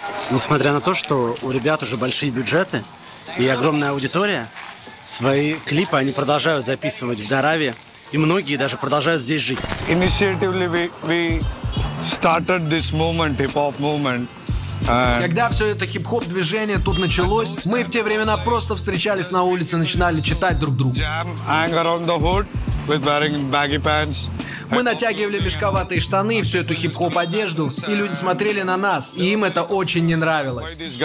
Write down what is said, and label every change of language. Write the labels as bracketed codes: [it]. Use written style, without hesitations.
[ru] Несмотря на то, что у ребят уже большие бюджеты и огромная аудитория, свои клипы они продолжают записывать в Дараве, и многие даже продолжают здесь жить. [en] Initially we started this movement, hip-hop movement. [ru] Когда все это хип-хоп движение тут началось, мы в те времена просто встречались на улице, начинали читать друг друга. Мы натягивали мешковатые штаны и всю эту хип-хоп одежду, и люди смотрели на нас, и им это очень не нравилось.